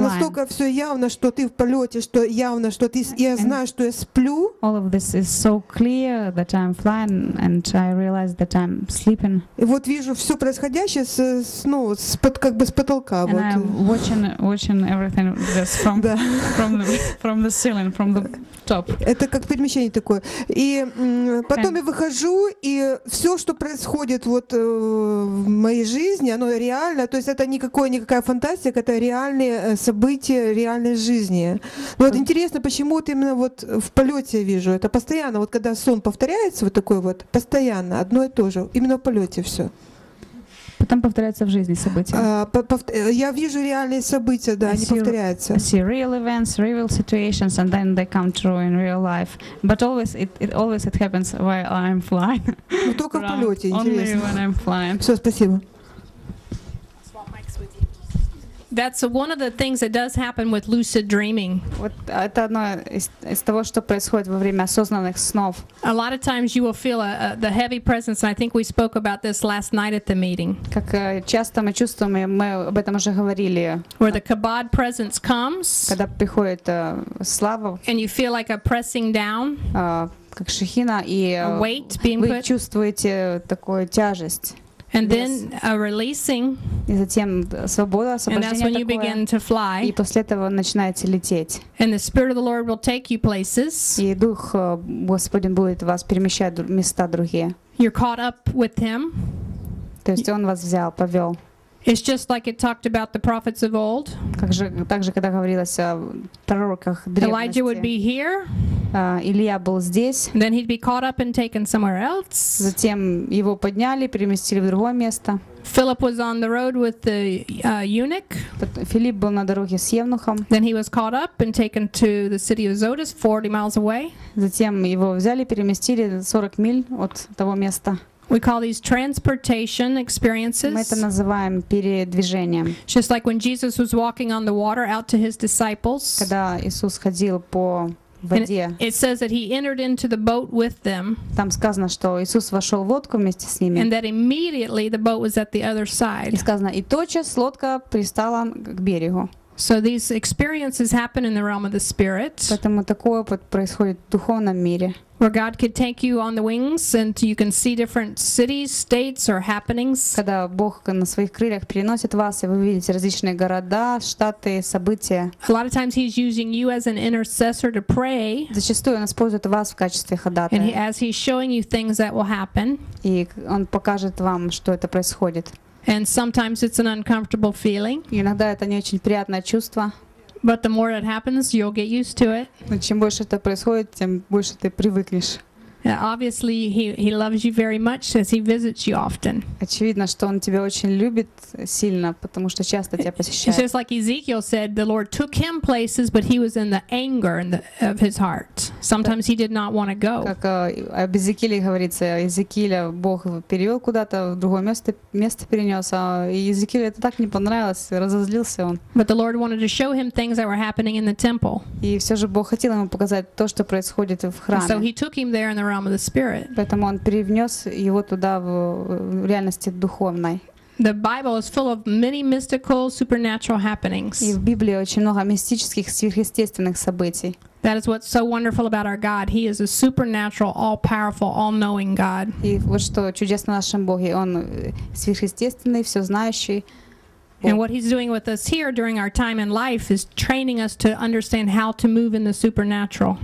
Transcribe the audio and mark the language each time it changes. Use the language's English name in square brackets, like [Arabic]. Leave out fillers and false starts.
[Russian] Настолько всё явно, что ты в полёте, что явно, что ты я знаю, что я сплю. [English] All of this is so clear that I'm flying and I realize that I'm sleeping. [Russian] И вот вижу всё происходящее с потолка [English] And [Russian] вот. [English] I'm watching everything this from the ceiling, from the top. [Russian] Это как перемещение такое. И потом я выхожу, и всё, что происходит вот в моей жизни, оно реально, то есть это никакая фантастика, это реальные события реальной жизни. Вот интересно, почему вот именно вот в полёте я вижу, это постоянно, вот когда сон повторяется, вот такой вот, постоянно, одно и то же, именно в полёте всё. Там повторяются в жизни события. Я вижу реальные события, да, они повторяются. [English] I see real events, real situations, and then they come true in real life. But always it happens while I'm flying. [Russian] Но только в полете, интересно. [English] Only when I'm flying. [Russian] Все, спасибо. [English] That's one of the things that does happen with lucid dreaming. [Russian] Вот это одно из того, что происходит во время осознанных снов. [English] A lot of times you will feel the heavy presence, and I think we spoke about this last night at the meeting. [Russian] Как часто мы чувствуем, мы об этом уже говорили. [English] Where the kabod presence comes. [Russian] Когда приходит слава. [English] And you feel like a pressing down. [Russian] Как шехина, и вы чувствуете такую тяжесть. [English] And then a releasing. [Russian] И затем свобода, освобождение. [English] And that's when you begin to fly. [Russian] И после этого начинаете лететь. [English] And the Spirit of the Lord will take you places. [Russian] И Дух Господень будет вас перемещать в места другие. [English] You're caught up with Him. [Russian] То есть Он вас взял, повел. [English] It's just like it talked about the prophets of old. [Russian] Также когда говорилось о пророках древности. [English] Elijah would be here. [Russian] Илия был здесь. [English] Then he'd be caught up and taken somewhere else. [Russian] Затем его подняли, переместили в другое место. [English] Philip was on the road with the eunuch. [Russian] Филипп был на дороге с евнухом. [English] Then he was caught up and taken to the city of Zotus, 40 miles away. [Russian] Затем его взяли, переместили 40 миль от того места. [English] We call these transportation experiences. [Russian] Мы это называем передвижением. [English] Just like when Jesus was walking on the water out to his disciples. [Russian] Когда Иисус ходил по воде. [English] And it says that he entered into the boat with them. [Russian] Там сказано, что Иисус вошел в лодку вместе с ними. [English] And that immediately the boat was at the other side. [Russian] И сказано, и тотчас лодка пристала к берегу. [English] So these experiences happen in the realm of the spirit. [Russian] Поэтому такое вот происходит в духовном мире. [English] Where God could take you on the wings and you can see different cities, states or happenings. [Russian] Когда Бог на своих крыльях переносит вас, и вы видите различные города, штаты, события. [English] A lot of times he's using you as an intercessor to pray. [Russian] Зачастую он использует вас в качестве ходатая. [English] And as he's showing you things that will happen. [Russian] И он покажет вам, что это происходит. [English] And sometimes it's an uncomfortable feeling. [Russian] Иногда это не очень приятное чувство. [English] But the more it happens, you'll get used to it. [Russian] Но чем больше это происходит, тем больше ты привыкнешь. [English] Obviously, he loves you very much as he visits you often. [Russian] Очевидно, что он тебя очень любит сильно, потому что часто тебя посещает. [English] It's just like Ezekiel said, the Lord took him places, but he was in the anger of his heart. Sometimes he did not want to go. [Russian] Как об Иезекииле говорится, Иезекииля Бог перевел куда-то, в другое место перенес, а Иезекиилю это так не понравилось, разозлился он. [English] But the Lord wanted to show him things that were happening in the temple. [Russian] И все же Бог хотел ему показать то, что происходит в храме. [English] So he took him there in the realm of the spirit. [Russian] Поэтому он перевнес его туда в реальности духовной. [English] The Bible is full of many mystical supernatural happenings. [Russian] И в Библии очень много мистических сверхъестественных событий. [English] That is what's so wonderful about our God. He is a supernatural, all-powerful, all-knowing God. [Russian] И вот что чудесно в нашем Боге. Он сверхъестественный, все знающий. [English] And what he's doing with us here during our time in life is training us to understand how to move in the supernatural.